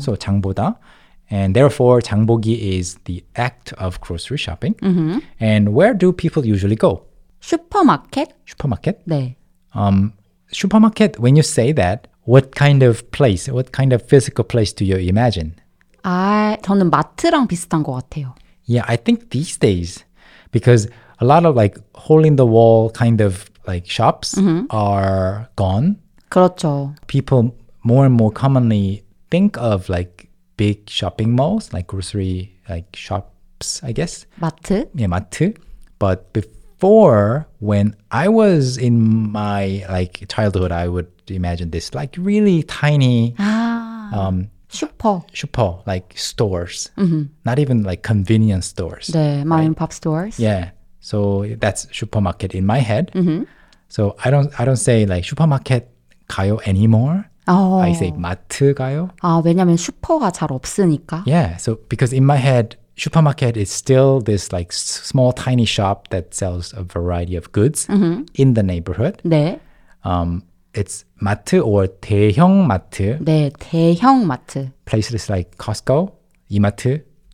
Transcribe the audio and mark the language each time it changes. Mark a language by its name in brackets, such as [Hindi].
[Korean] So 장보다. [English] And therefore, 장보기 is the act of grocery shopping. Mm-hmm. And where do people usually go? [Korean] 슈퍼마켓. 슈퍼마켓? 네. [English] 슈퍼마켓, when you say that, what kind of place, what kind of physical place do you imagine? [Korean] 아, 저는 마트랑 비슷한 것 같아요. [English] Yeah, I think these days, because a lot of like hole-in-the-wall kind of like shops mm-hmm. are gone. [Korean] 그렇죠. [English] People more and more commonly think of like big shopping malls, like grocery like shops, I guess. [Korean] 마트. [English] Yeah, 마트. But before, when I was in my like childhood, I would imagine this like really tiny [Korean] 슈퍼. [English] 슈퍼, like stores. Mm-hmm. Not even like convenience stores. 네, 마트 right? pop stores. Yeah. So that's 슈퍼마켓 in my head. Mm-hmm. So I don't say like [Korean] 슈퍼마켓 가요 [English] anymore. Oh. I say [Korean] 마트 가요. 아, 왜냐면 슈퍼가 잘 없으니까. [English] Yeah, so because in my head, supermarket is still this like small tiny shop that sells a variety of goods mm-hmm. in the neighborhood. [Korean] 네. [English] It's 마트 or 대형 마트. [Korean] 네, 대형 마트. [English] Places like Costco, 이마트,